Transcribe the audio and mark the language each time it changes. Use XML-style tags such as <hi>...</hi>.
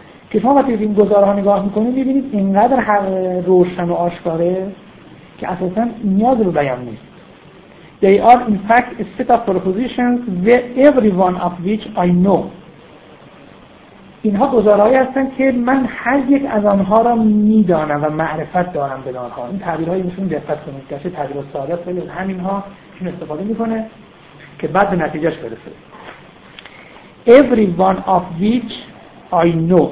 <fa>که شما وقتی این گزاره ها نگاه میکنید میبینید اینقدر حق روشن و آشکاره که اساسا نیاز رو بیان نیست.</fa> <en>They are in fact a set of propositions where every one of which I know.</en> <fa>اینها گزارهایی هستن که من هر یک از آنها را میدانم و معرفت دارم به آنها. این تعبیرهایی میشون دقت کنید که تعبیر ساده ولی همین ها چون استفاده میکنه که بعد به نتیجهش برسه.</fa> <en>Every one of which I know.</en>